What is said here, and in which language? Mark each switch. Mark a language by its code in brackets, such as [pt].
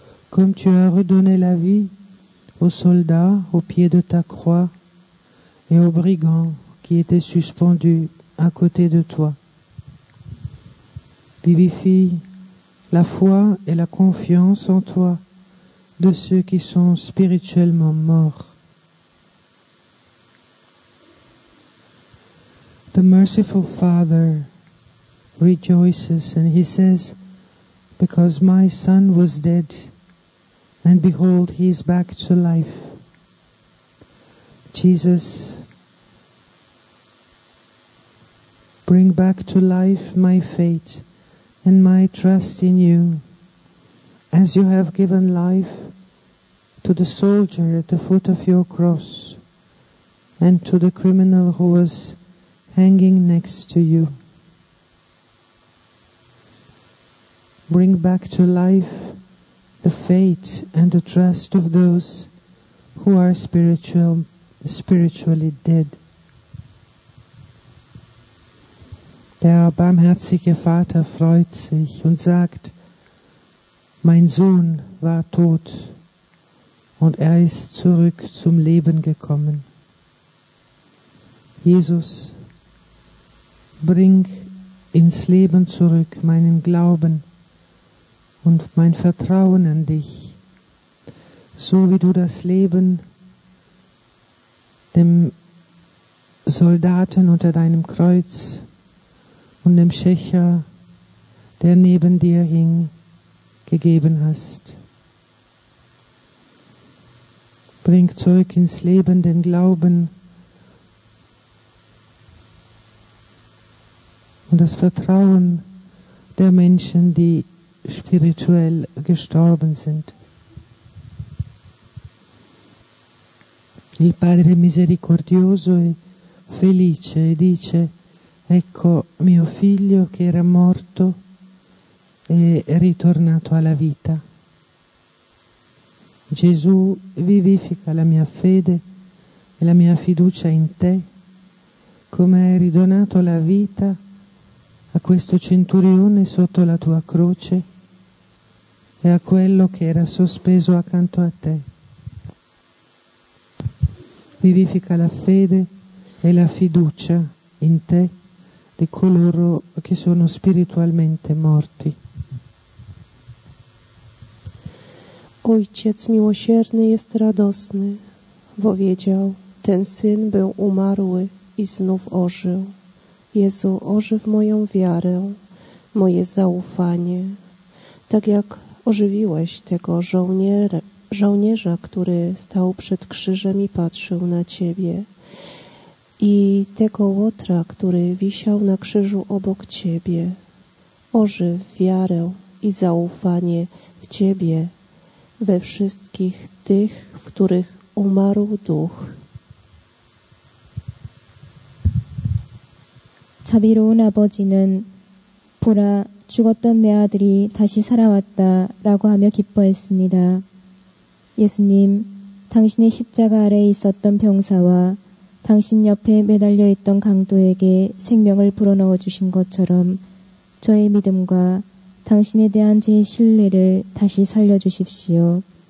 [fr] Comme tu as redonné la vie aux soldats au pied de ta croix et aux brigands qui étaient suspendus à côté de toi. Vivifie la foi et la confiance en toi de ceux qui sont spirituellement morts. [en] The merciful Father rejoices and he says, because my son was dead, and behold, he is back to life. Jesus, bring back to life my faith and my trust in you, as you have given life to the soldier at the foot of your cross and to the criminal who was hanging next to you. Bring back to life the faith and the trust of those who are spiritually dead. [de] Der barmherzige Vater freut sich und sagt, mein Sohn war tot und er ist zurück zum Leben gekommen. Jesus, bring ins Leben zurück meinen Glauben und mein Vertrauen an dich, so wie du das Leben dem Soldaten unter deinem Kreuz und dem Schächer, der neben dir hing, gegeben hast. Bring zurück ins Leben den Glauben und das Vertrauen der Menschen, die spirituell gestorben sind. [it] Il Padre misericordioso e felice dice: ecco mio figlio che era morto e è ritornato alla vita. Gesù, vivifica la mia fede e la mia fiducia in te, come hai ridonato la vita a questo centurione sotto la tua croce e a quello che era sospeso accanto a te. Vivifica la fede e la fiducia in te di coloro che sono spiritualmente morti. [pl] Ojciec miłosierny jest radosny, bo wiedział, ten syn był umarły i znów ożył. Jezu, ożyw moją wiarę, moje zaufanie, tak jak ożywiłeś tego żołnierza, który stał przed krzyżem i patrzył na Ciebie i tego łotra, który wisiał na krzyżu obok Ciebie. Ożyw wiarę i zaufanie w Ciebie, we wszystkich tych, w których umarł duch. [ko] 자비로운 아버지는 보라 죽었던 내 아들이 다시 살아왔다 라고 하며 기뻐했습니다. 예수님, 당신의 십자가 아래에 있었던 병사와 당신 옆에 매달려 있던 강도에게 생명을 불어넣어 주신 것처럼 저의 믿음과 당신에 대한 제 신뢰를 다시 살려주십시오.